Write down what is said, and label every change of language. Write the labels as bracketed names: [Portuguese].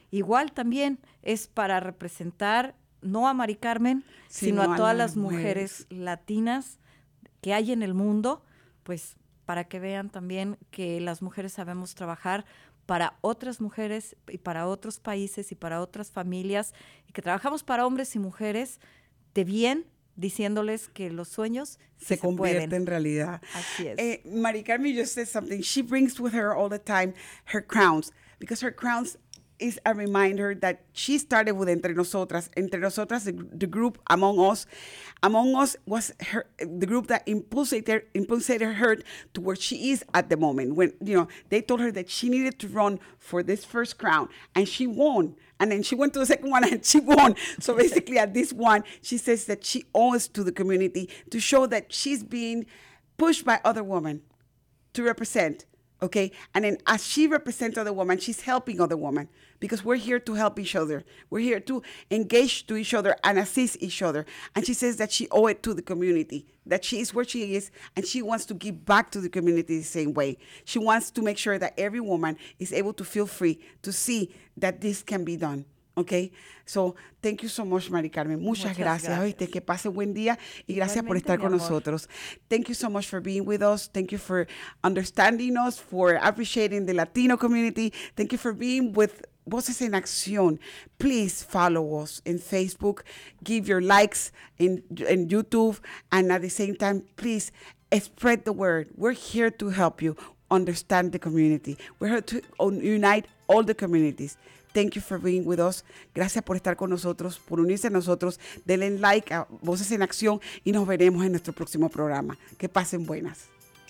[Spanish] Igual también es para representar no a Mari Carmen, sino a todas las mujeres latinas que hay en el mundo, pues para que vean también que las mujeres sabemos trabajar para otras mujeres y para otros países y para otras familias, y que trabajamos para hombres y mujeres de bien, diciéndoles que los sueños se convierten pueden. En realidad. Así es. [English] Mari Carmen just said something. She brings with her all the time her crowns, because her crowns is a reminder that she started with Entre Nosotras. Entre Nosotras, the group Among Us. Among Us was her the group that impulsated her to where she is at the moment. When, you know, they told her that she needed to run for this first crown, and she won. And then she went to the second one, and she won. So basically, at this one, she says that she owes to the community to show that she's being pushed by other women to represent. Okay, and then as she represents other women, she's helping other women, because we're here to help each other. We're here to engage to each other and assist each other. And she says that she owes it to the community, that she is where she is, and she wants to give back to the community the same way. She wants to make sure that every woman is able to feel free to see that this can be done. Okay, so thank you so much, Mari Carmen. [Spanish] Muchas gracias. Gracias. Oíste, que pase buen día y gracias por estar con nosotros. [English] Thank you so much for being with us. Thank you for understanding us, for appreciating the Latino community. Thank you for being with Voces en Acción. Please follow us in Facebook. Give your likes in YouTube. And at the same time, please spread the word. We're here to help you understand the community. We're here to unite all the communities. Thank you for being with us. [Spanish] Gracias por estar con nosotros, por unirse a nosotros. Denle like a Voces en Acción y nos veremos en nuestro próximo programa. Que pasen buenas.